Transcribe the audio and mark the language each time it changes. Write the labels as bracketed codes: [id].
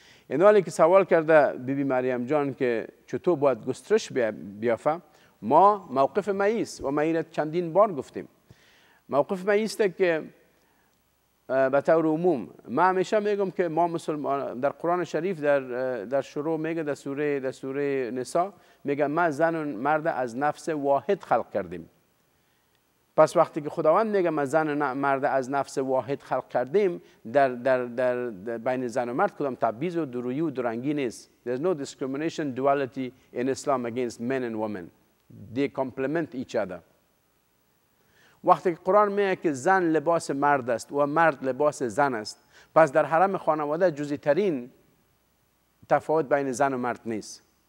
[fa] این حالی که سوال کرده بی بی مریم جان که چطور باید گسترش بیافه، ما موقف مئیس و مئیر چندین بار گفتیم موقف مئیس ده که به طور عموم ما همیشه میگم که ما مسلمان در قرآن شریف در شروع میگه در سوره نسا میگه ما زن و مرد از نفس واحد خلق کردیم. پس وقتی که خداوند میگه ما زن و مرد از نفس واحد خلق کردیم، در بین زن و مرد کدام تبعیض و دورویی و دورنگی نیست. [en] There's no discrimination duality in Islam against men and women. They complement each other. [fa] وقتی که قرآن میگه که زن لباس مرد است و مرد لباس زن است، پس در حرم خانواده جزئی ترین تفاوت بین زن و مرد نیست.